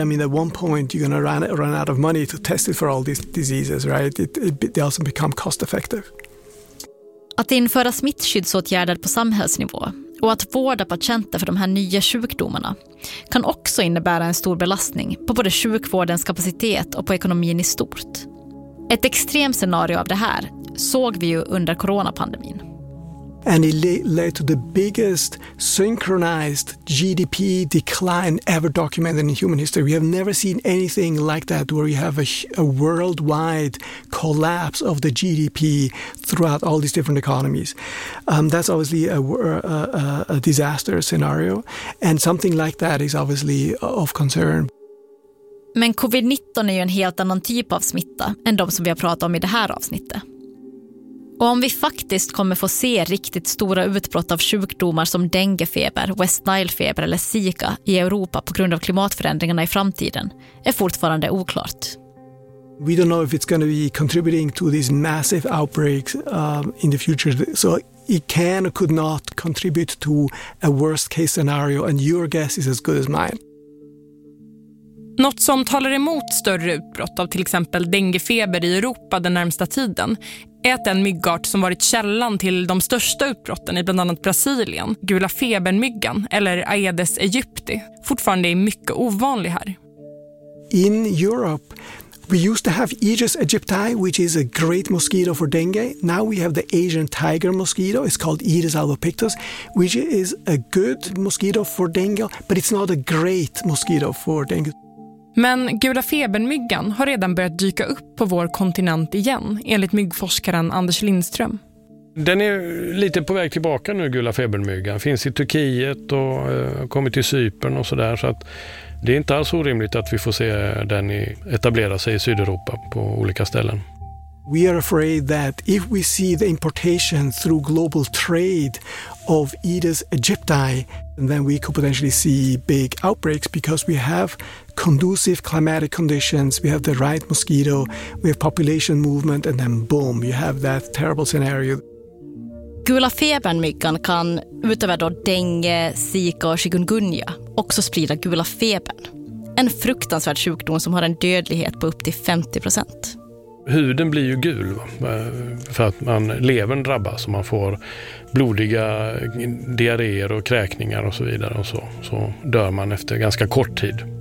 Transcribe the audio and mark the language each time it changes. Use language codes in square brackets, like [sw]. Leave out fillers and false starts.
[en] I mean, at one point you're going to run out of money to test it for all these diseases, right? They also become cost effective. [sv] Att införa smittskyddsåtgärder på samhällsnivå och att vårda patienter för de här nya sjukdomarna kan också innebära en stor belastning på både sjukvårdens kapacitet och på ekonomin i stort. Ett extremt scenario av det här såg vi ju under coronapandemin. [en] And it led to the biggest synchronized GDP decline ever documented in human history. We have never seen anything like that where you have a worldwide collapse of the GDP throughout all these different economies. That's obviously a disaster scenario. And something like that is obviously of concern. [sv] Men covid-19 är ju en helt annan typ av smitta än de som vi har pratat om i det här avsnittet. Och om vi faktiskt kommer få se riktigt stora utbrott av sjukdomar som denguefeber, West Nile-feber eller Zika i Europa på grund av klimatförändringarna i framtiden är fortfarande oklart. [en] We don't know if it's going to be contributing to these massive outbreaks in the future. So it can or could not contribute to a worst case scenario and your guess is as good as mine. [sv] Något som talar emot större utbrott av till exempel denguefeber i Europa den närmsta tiden är att den myggart som varit källan till de största utbrotten i bland annat Brasilien, gula febermyggan eller Aedes aegypti, fortfarande är mycket ovanlig här. [en] In Europe, we used to have Aedes aegypti, which is a great mosquito for dengue. Now we have the Asian tiger mosquito, it's called Aedes albopictus, which is a good mosquito for dengue, but it's not a great mosquito for dengue. [sv] Men gula febermyggan har redan börjat dyka upp på vår kontinent igen, enligt myggforskaren Anders Lindström. Den är lite på väg tillbaka nu, gula febermyggan. Finns i Turkiet och kommit till Cypern och sådär. Så att det är inte alls orimligt att vi får se den etablera sig i Sydeuropa på olika ställen. [en] We are afraid that if we see the importation through global trade of Aedes aegypti, then we could potentially see big outbreaks because we have conducive climatic conditions, we have the right mosquito, we have population movement and then boom, you have that terrible scenario. [sv] Gula febermyggan kan, utöver då dengue, Zika och chikungunya, också sprida gula febern. En fruktansvärd sjukdom som har en dödlighet på upp till 50%. Huden blir ju gul för att man levern drabbas och man får blodiga diarréer och kräkningar och så vidare och så dör man efter ganska kort tid.